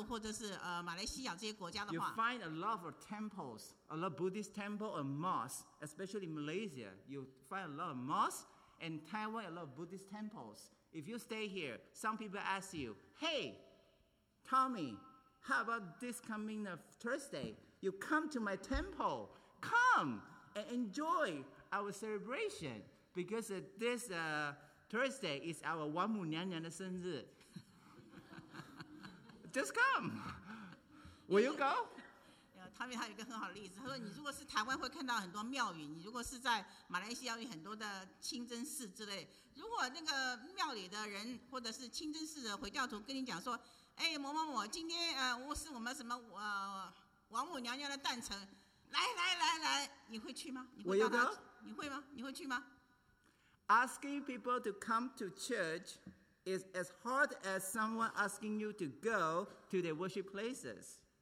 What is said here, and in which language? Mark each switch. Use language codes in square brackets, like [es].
[zh] 如果你不是在亚洲国家，好比中国大陆或者是马来西亚这些国家的话， [en] you find a lot of temples, a lot of Buddhist temple and mosques, especially in Malaysia, you find a lot of mosques. And Taiwan, a lot of Buddhist temples. If you stay here, some people ask you, hey, Tommy, how about this coming Thursday? You come to my temple. Come and enjoy our celebration. Because this Thursday is our Wanmu Nyanyan [zh] 的生日. [en] Just come. Will you go? [zh] Tommy 他有一个很好的例子，他说你如果是台湾会看到很多庙宇，你如果是在马来西亚有很多的清真寺之类，如果那个庙里的人或者是清真寺的回教徒跟你讲说，哎，某某某，今天我是我们什么王母娘娘的诞辰，来来来来，你会去吗？你会吗？你会去吗？ [en] Asking people to come to church is as hard as someone asking you to go to their worship places.